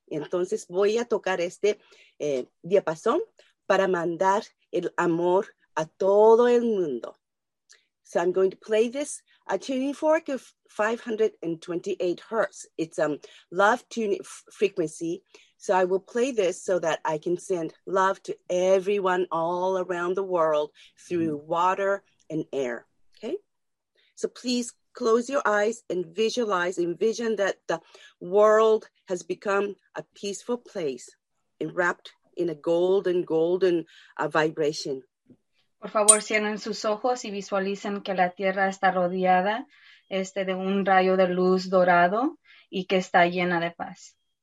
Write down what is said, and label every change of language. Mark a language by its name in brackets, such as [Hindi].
[Spanish] Entonces voy a tocar este diapasón para mandar el amor a todo el mundo. [English] So I'm going to play this a tuning fork of 528 hertz. It's a love tuning frequency. So I will play this so that I can send love to everyone all around the world through water and air. Okay? So please close your eyes and visualize, envision that the world has become a peaceful place enwrapped in a golden vibration. [Spanish] Por favor, cierren sus ojos y visualicen que la tierra está rodeada de un rayo de luz dorado y que está llena de paz.